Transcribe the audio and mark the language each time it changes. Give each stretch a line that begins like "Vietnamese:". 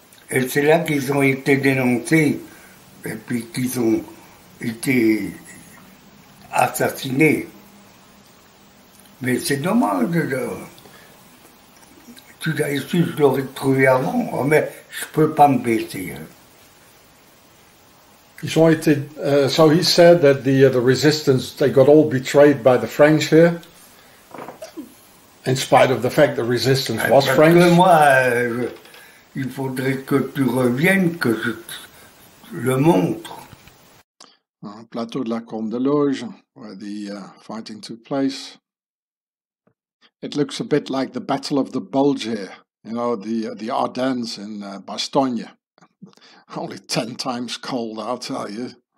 French: Et c'est là qu'ils ont été dénoncés et puis qu'ils ont été assassinés. Mais c'est dommage. Tu l'as su, je l'aurais trouvé avant, mais je ne peux pas me baisser. Ils ont été.
English: So he said that the resistance, they got all betrayed by the French here. In spite of the fact the resistance was French.
French: Parce que moi, il faudrait que tu reviennes, que je le montre.
English: Plateau de la Combe de Loge, where the fighting took place. It looks a bit like the Battle of the Bulge here, you know, the Ardennes in Bastogne. Only 10 times cold, I'll tell you.